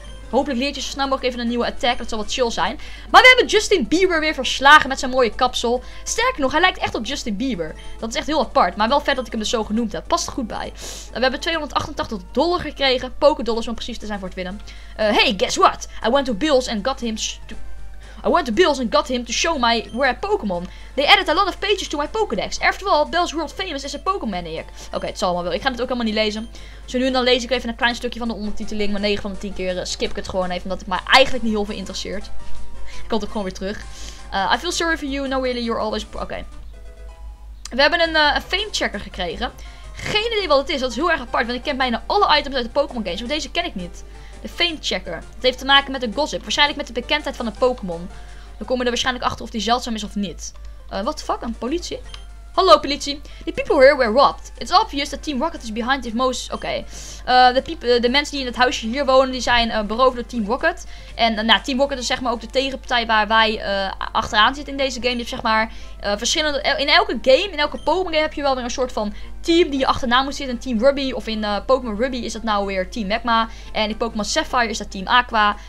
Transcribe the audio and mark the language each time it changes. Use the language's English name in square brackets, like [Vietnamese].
[Dutch] Hopelijk leert je zo snel mogelijk even een nieuwe attack. Dat zal wat chill zijn. Maar we hebben Justin Bieber weer verslagen met zijn mooie kapsel. Sterker nog, hij lijkt echt op Justin Bieber. Dat is echt heel apart. Maar wel vet dat ik hem er zo genoemd heb. Past er goed bij. We hebben $288 gekregen. Pokédollars om precies te zijn voor het winnen. [English] Hey, guess what? I went to Bills and got him to show my rare Pokémon. They added a lot of pages to my Pokédex. After all, Bills World Famous is a Pokémon ik. [Dutch] Oké, het zal allemaal wel. Ik ga het ook helemaal niet lezen. Zo nu en dan lees ik even een klein stukje van de ondertiteling. Maar 9 van de 10 keer skip ik het gewoon even. Omdat het mij eigenlijk niet heel veel interesseert. Ik kom ook gewoon weer terug. [English] I feel sorry for you. No really, you're always... [Dutch] Oké. We hebben een fame checker gekregen. Geen idee wat het is. Dat is heel erg apart. Want ik ken bijna alle items uit de Pokémon games. Maar deze ken ik niet. De Fame Checker. Dat heeft te maken met de gossip. Waarschijnlijk met de bekendheid van een Pokémon. We komen er waarschijnlijk achter of die zeldzaam is of niet. [English] What the fuck? [Dutch] Een politie? Hallo politie. [English] The people here were robbed. It's obvious that Team Rocket is behind this most... [Dutch] Oké. De mensen die in het huisje hier wonen, die zijn beroofd door Team Rocket. En Team Rocket is zeg maar ook de tegenpartij waar wij achteraan zitten in deze game. Dus zeg maar verschillende... In elke game, in elke Pokémon game heb je wel weer een soort van team die je achterna moet zitten. Team Ruby of in Pokémon Ruby is dat nou weer Team Magma. En in Pokémon Sapphire is dat Team Aqua.